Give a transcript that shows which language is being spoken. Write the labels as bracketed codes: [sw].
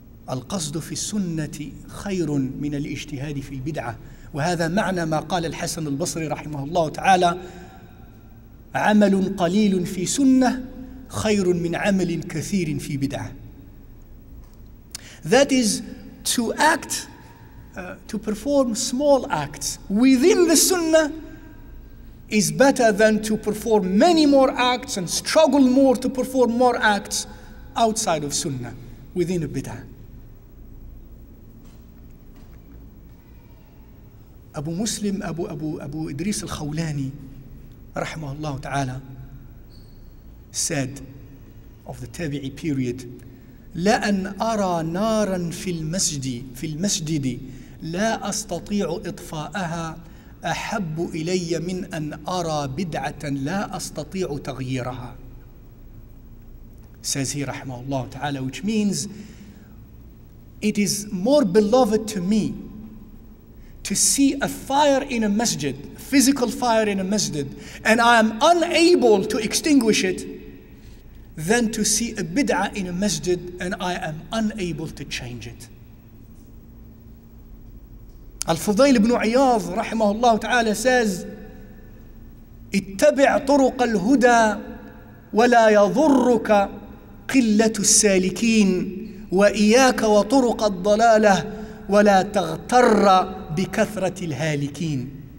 [ar] القصد في السنة خير من الاجتهاد في البدعة. وهذا معنى ما قال الحسن البصري رحمه الله تعالى, عمل قليل في سنة خير من عمل كثير في بدعة. [en] That is to act, to perform small acts within the sunnah is better than to perform many more acts and struggle more to perform more acts outside of sunnah, within a bid'ah. Abu Muslim, Abu Idris al-Khawlani, rahimahullah ta'ala, said of the tabi'i period, [ar] لَأَنْ أَرَى نَارًا فِي الْمَسْجِدِ لَا أَسْتَطِيعُ إِطْفَاءَهَا أَحَبُّ إِلَيَّ مِنْ أَنْ أَرَى بِدْعَةً لَا أَسْتَطِيعُ تَغْيِيرَهَا. [en] Says he rahmahullah ta'ala, which means, it is more beloved to me to see a fire in a masjid, physical fire in a masjid, and I am unable to extinguish it, than to see a bid'ah in a masjid and I am unable to change it. Al-Fudayl ibn Iyadh rahimahullah ta'ala says, [ar] اتَّبِعْ طُرُقَ الْهُدَى وَلَا يَضُرُّكَ قِلَّةُ السَّالِكِينَ وَإِيَاكَ وَطُرُقَ الضَّلَالَةِ وَلَا تَغْتَرَّ بِكَثْرَةِ الْهَالِكِينَ.